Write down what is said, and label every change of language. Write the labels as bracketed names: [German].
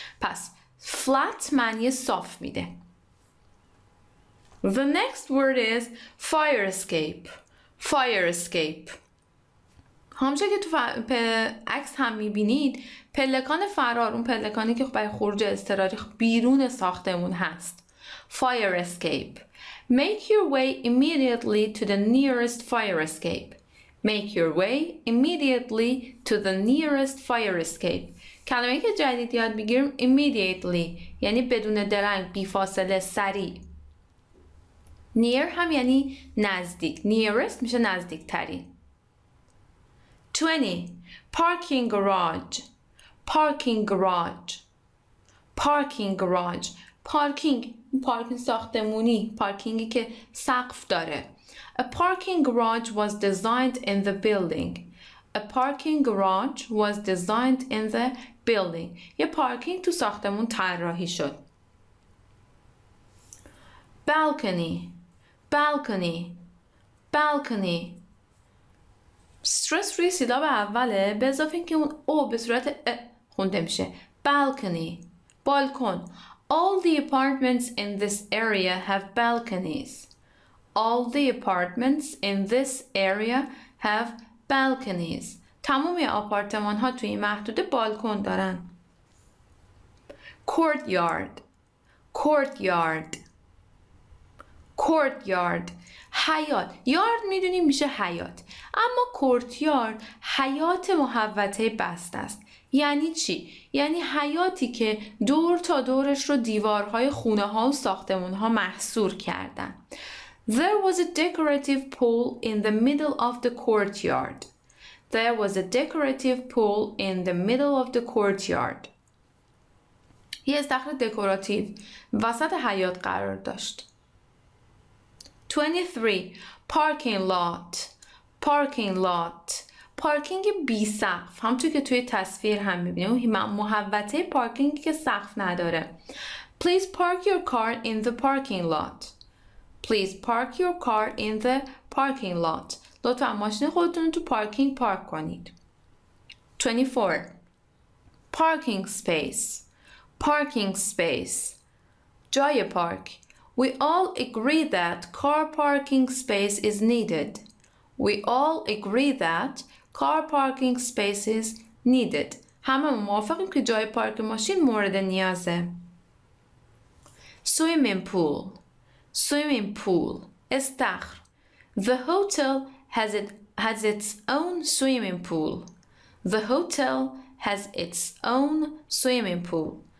[Persian] پس flat معنی صاف میده. [English] The next word is fire escape. Fire escape. [Persian] همچه که تو عکس هم میبینید پلکان فرار، اون پلکانی که برای خروج اضطراری بیرون ساختمون هست. [English] Fire escape. Make your way immediately to the nearest fire escape. Make your way immediately to the nearest fire escape. [Persian] کلمه که جدید یاد میگیرم immediately یعنی بدون درنگ، بیفاصله، سریع. Near هم یعنی نزدیک. Nearest میشه نزدیک ترین. [English] 20. Parking garage. Parking garage. Parking garage. Parking. Parking ساختمونی. [Persian] Parkingی که سقف داره. [English] A parking garage was designed in the building. A parking garage was designed in the building. [Persian] یه پارکینگ تو ساختمون طراحی شد. [English] Balcony. Balcony. Balcony. [Persian] Stress روی سیلاب اوله، به اضافه اینکه اون او به صورت خونده میشه balcony، بالکن. [English] All the apartments in this area have balconies. All the apartments in this area have balconies. [Persian] تمامی آپارتمان ها توی محدوده بالکن دارن. [English] Courtyard. Courtyard. Courtyard. حیات. [Persian] یارد میدونیم میشه حیات. اما courtyard حیات محوطه بست است. یعنی چی؟ یعنی حیاتی که دور تا دورش رو دیوارهای خونه ها و ساختمون ها محصور کردن. [English] There was a decorative pool in the middle of the courtyard. There was a decorative pool in the middle of the courtyard. [Persian] یه استخر دکوراتیو وسط حیاط قرار داشت. [English] 23. Parking lot. Parking lot. [Persian] پارکینگ بی سقف، همونطور که توی تصویر هم می‌بینیم، محوطه پارکینگی که سقف نداره. [English] Please park your car in the parking lot. Please park your car in the parking lot. [Persian] لطفا ماشین خودتون رو تو پارکینگ پارک کنید. [English] 24. Parking space. Parking space. [Persian] جای پارک. [English] We all agree that car parking space is needed. We all agree that car parking space is needed. [Persian] همه موافقیم که جای پارک ماشین مورد نیازه. [English] Swimming pool. Swimming pool. استخر. The hotel has its own swimming pool. The hotel has its own swimming pool.